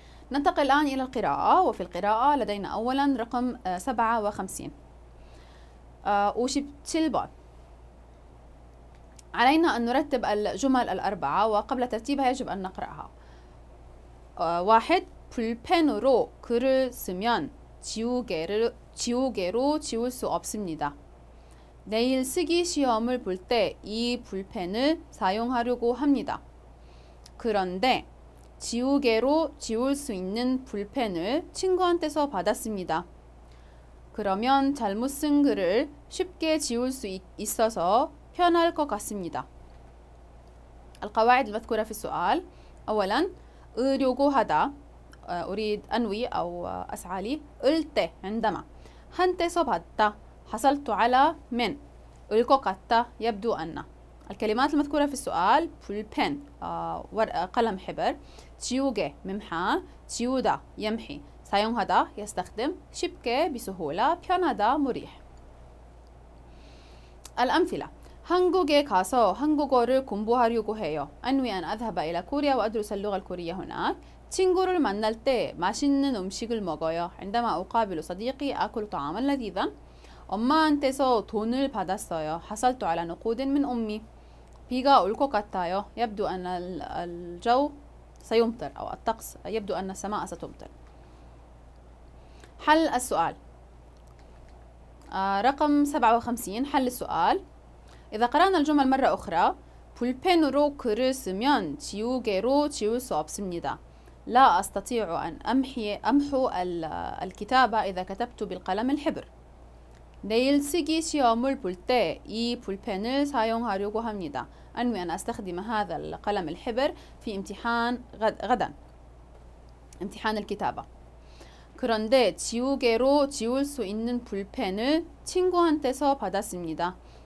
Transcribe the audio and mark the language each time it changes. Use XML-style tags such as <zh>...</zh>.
<ar>ننتقل الآن إلى القراءة وفي القراءة لدينا أولا رقم 57 57번 علينا أن نرتب الجمل الأربعة وقبل ترتيبها يجب أن نقرأها 1.</ar> <ko>불펜으로 글을 쓰면 지우개로 지울 수 없습니다 내일 쓰기 시험을 볼 때 이 불펜을 사용하려고 합니다 그런데 지우개로 지울 수 있는 불펜을 친구한테서 받았습니다 그러면 잘못 쓴 글을 쉽게 지울 수 있어서 편할 것 같습니다.</ko> <ar>القواعد المذكورة في السؤال أولا</ar> <ko>으려고 하다</ko> <ar>أريد أنوي أو أسعى لي 을 때 عندما 한테서 봤다 حصلت على من</ar> <ko>을 것 같다</ko> <ar>يبدو أن الكلمات المذكورة في السؤال 불펜 قلم حبر 지우개 ممحى 지우다 يمحي 사용하다 يستخدم 쉽게 بسهولة 편하다 مريح الأمثلة</ar> <ko>한국에 가서 한국어를 공부하려고 해요.</ko> <ar>안위 أن أذهب إلى كوريا وأدرس اللغة الكورية هناك.</ar> <ko>친구를 만날 때 맛있는 음식을 먹어요.</ko> <ar>عندما أقابل صديقي آكل طعاما لذيذا.</ar> <ko>엄마한테서 돈을 받았어요.</ko> <ar>حصلت على نقود من أمي.</ar> <ko>비가 올 것 같아요.</ko> <ar>يبدو أن الجو سيمطر أو الطقس يبدو أن السماء ستمطر. حل السؤال رقم 57. حل السؤال. إذا قرأنا الجمل مرة أخرى،</ar> <ko>볼펜으로 글을 쓰면 지우개로 지울 수 없습니다.</ko> <ar>لا أستطيع أن أمحو الكتابة إذا كتبت بالقلم الحبر.</ar> <ko>내일 쓰기 시험을 볼 때 이 볼펜을 사용하려고 합니다.</ko> <ar>أنوي أن أستخدم هذا القلم الحبر في امتحان غدا. امتحان الكتابة.</ar> <ko>그런데 지우개로 지울 수 있는 볼펜을 친구한테서 받았습니다.</ko>